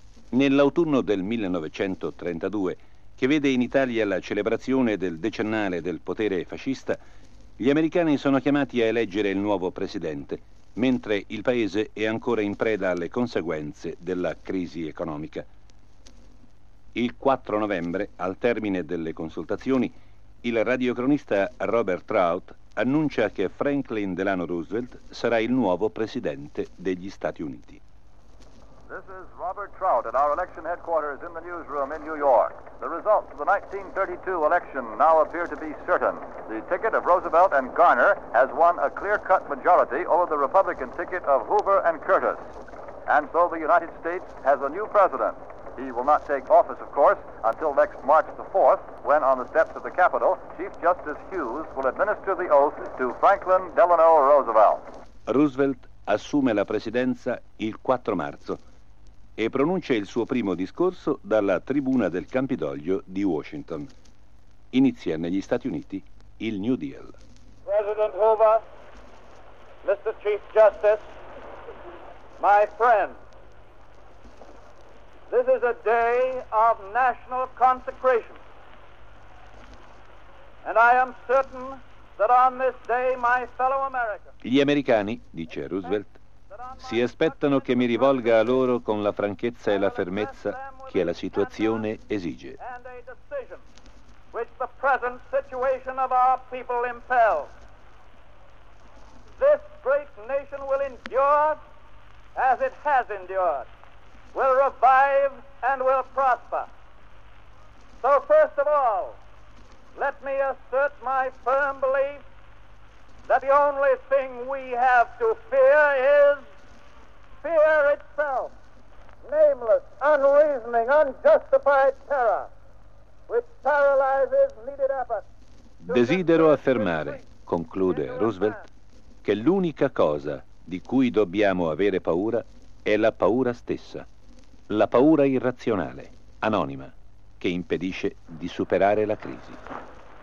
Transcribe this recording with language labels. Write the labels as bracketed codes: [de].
[it] Nell'autunno del 1932, che vede in Italia la celebrazione del decennale del potere fascista, gli americani sono chiamati a eleggere il nuovo presidente, mentre il paese è ancora in preda alle conseguenze della crisi economica. Il 4 novembre, al termine delle consultazioni, il radiocronista Robert Trout annuncia che Franklin Delano Roosevelt sarà il nuovo presidente degli Stati Uniti. [en] This is Robert Trout at our election headquarters in the newsroom in New York. The results of the 1932 election now appear to be certain. The ticket of Roosevelt and Garner has won a clear-cut majority over the Republican ticket of Hoover and Curtis. And so the United States has a new president. He will not take office, of course, until next March the 4th, when on the steps of the Capitol, Chief Justice Hughes will administer the oath to Franklin Delano Roosevelt. [it] Roosevelt assume la presidenza il 4 marzo. E pronuncia il suo primo discorso dalla tribuna del Campidoglio di Washington. Inizia negli Stati Uniti il New Deal. [en] President Hoover, Mr. Chief Justice, my friend, this is a day of national consecration. And I am certain that on this day my fellow Americans. [it] Gli americani, dice Roosevelt, si aspettano che mi rivolga a loro con la franchezza e la fermezza che la situazione esige. [en] This great nation will endure as it has endured, will revive and will prosper. So first of all, let me assert my firm belief that the only thing we have to fear is fear itself, nameless, unreasoning, unjustified terror, which paralyzes needed effort. [it] Desidero affermare, conclude Roosevelt, che l'unica cosa di cui dobbiamo avere paura è la paura stessa, la paura irrazionale, anonima, che impedisce di superare la crisi.